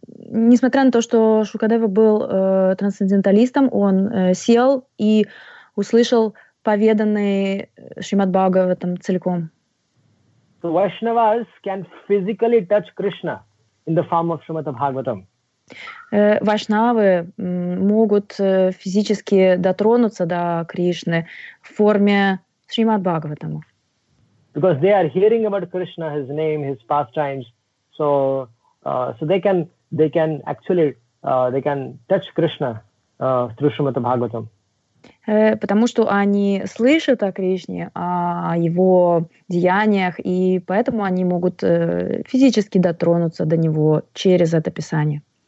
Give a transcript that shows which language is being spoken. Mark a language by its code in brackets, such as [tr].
[ru] Несмотря на то, что Шукадева был трансценденталистом, он сел и услышал поведанный Шримад Бхагаватам целиком. [en] So Vaishnavas can physically touch Krishna in the form of Shrimad Bhagavatam. [ru] Вайшнавы могут физически дотронуться до Кришны в форме Шримад Бхагаватама. [en] Because they are hearing about Krishna, his name, his pastimes, so they can touch Krishna through Shrimati Bhagavatam. [ru] Потому что они слышат о Кришне, о его деяниях, и поэтому они могут физически дотронуться до него через это писание.